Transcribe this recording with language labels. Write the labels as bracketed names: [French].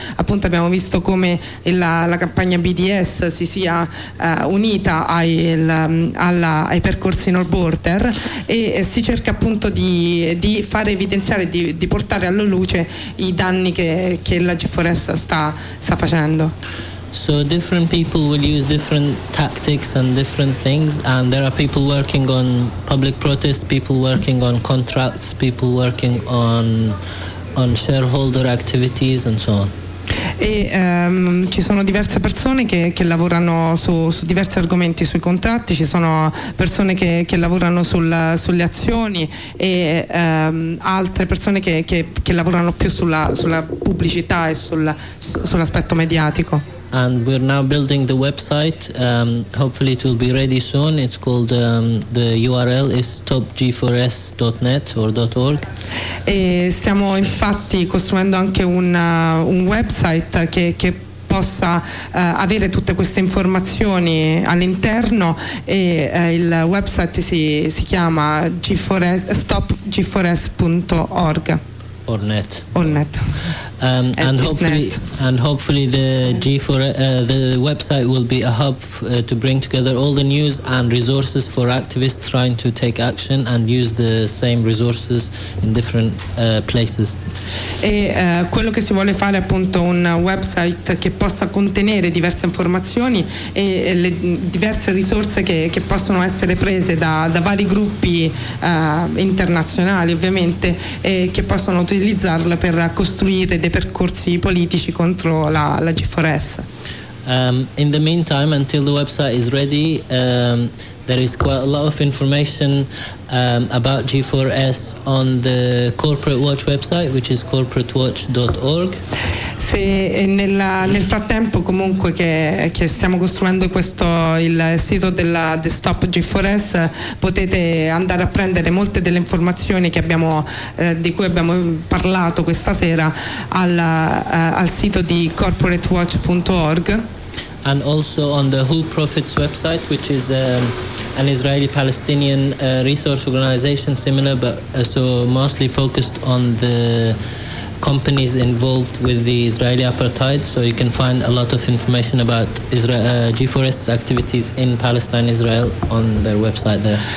[Italian] Appunto abbiamo visto come la campagna BDS si sia unita ai percorsi No Border e si cerca appunto di fare evidenziare, di portare alla luce i danni che la G4S sta facendo. [English] So different people will use different tactics and different things, and there are people working on public protests, people working on contracts, people working on shareholder activities and so on. [Italian] E ci sono diverse persone che lavorano su diversi argomenti, sui contratti, ci sono persone che lavorano sulle azioni e altre persone che lavorano più sulla pubblicità e sull'aspetto mediatico. [English] And we're now building the website. Hopefully it will be ready soon. It's called, the URL is stopg4s.net or .org. [Italian] E stiamo infatti costruendo anche un website che possa avere tutte queste informazioni all'interno, e il website si chiama stopg4s.org. [English] Or net. And hopefully the the website will be a hub to bring together all the news and resources for activists trying to take action and use the same resources in different places. [Italian] E quello che si vuole fare è appunto un website che possa contenere diverse informazioni e le diverse risorse che possono essere prese da vari gruppi internazionali, ovviamente, e che possono utilizzarla per costruire dei percorsi politici contro la G4S. [English] In the meantime, until the website is ready, there is quite a lot of information about G4S on the Corporate Watch website, which is corporatewatch.org. [Italian] Se nel frattempo comunque che stiamo costruendo questo il sito del Stop G4S, potete andare a prendere molte delle informazioni che abbiamo di cui abbiamo parlato questa sera al sito di corporatewatch.org. [English] And also on the Who Profits website, which is an Israeli-Palestinian resource organization, similar but so mostly focused on the companies involved with the Israeli apartheid. So you can find a lot of information about G4S activities in Palestine, Israel, on their website there.